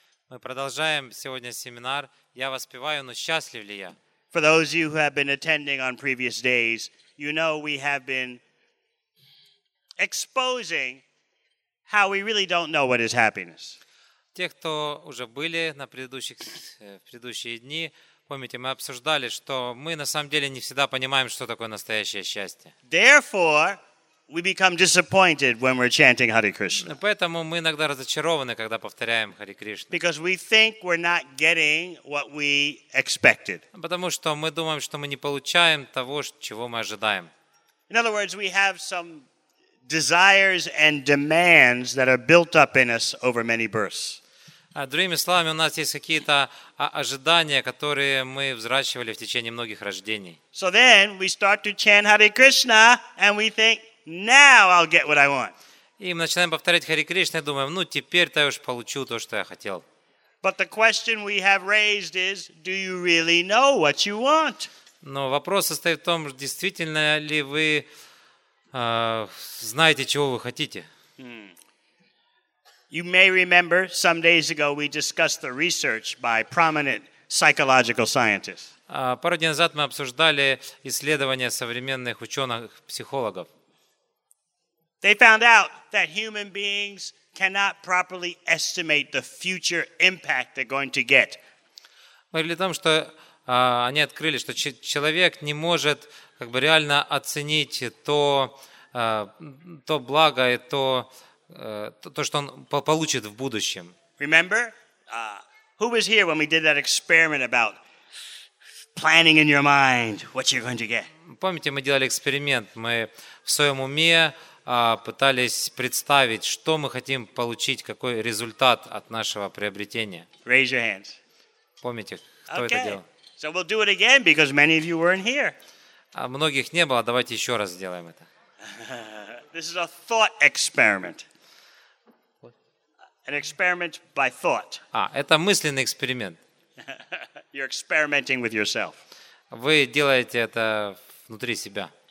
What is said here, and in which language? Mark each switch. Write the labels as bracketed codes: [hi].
[ru] Мы продолжаем сегодня семинар. Я воспеваю, но счастлив ли я? [en] For those of you who have been attending on previous days, you know we have been exposing how we really don't know what is happiness. [ru] Те, кто уже были на предыдущие дни, помните, мы обсуждали, что мы на самом деле не всегда понимаем, что такое настоящее счастье. [en] Therefore, we become disappointed when we're chanting Hare Krishna. [ru] Поэтому мы иногда разочарованы, когда повторяем Hare Krishna. [en] Because we think we're not getting what we expected. [ru] Потому что мы думаем, что мы не получаем того, чего мы ожидаем. [en] In other words, we have some desires and demands that are built up in us over many births. [ru] Другими словами, у нас есть какие-то ожидания, которые мы взращивали в течение многих рождений. [en] So then we start to chant Hare Krishna and we think, now I'll get what I want. [ru] И мы начинаем повторять Хари Кришна, думаем, ну теперь-то я уж получу то, что я хотел. [en] But the question we have raised is, do you really know what you want? [ru] Но вопрос состоит в том, действительно ли вы знаете, чего вы хотите? [en] You may remember some days ago we discussed the research by prominent psychological scientists. [ru] Пару дней назад мы обсуждали исследования современных ученых-психологов. [en] They found out that human beings cannot properly estimate the future impact they're going to get. [ru] Говорили о том, что они открыли, что человек не может как бы реально оценить то благо и то, что он получит в будущем. [en] Remember, who was here when we did that experiment about planning in your mind what you're going to get? [ru] Помните, мы делали эксперимент, мы в своем уме пытались представить, что мы хотим получить, какой результат от нашего приобретения. [en] Raise your hands. [ru] Помните, кто это делал? [en] So we'll do it again, because many of you weren't here. [ru] А многих не было, давайте еще раз сделаем это. [en] This is a thought experiment. An experiment by thought. [ru] Это мысленный эксперимент. [en] You're experimenting with yourself. [ru] Вы делаете это внутри себя.